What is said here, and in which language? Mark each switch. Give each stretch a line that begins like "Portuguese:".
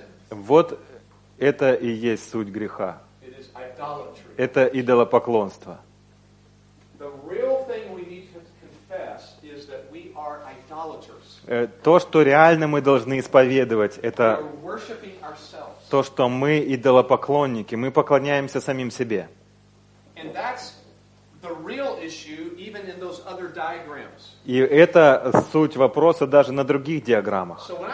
Russian: Вот это и есть суть греха. Это идолопоклонство.
English: The real thing we need to confess is that we are idolaters.
Russian: то, что реально мы должны исповедовать, это то, что мы идолопоклонники, мы поклоняемся самим себе. И это суть вопроса даже на других диаграммах.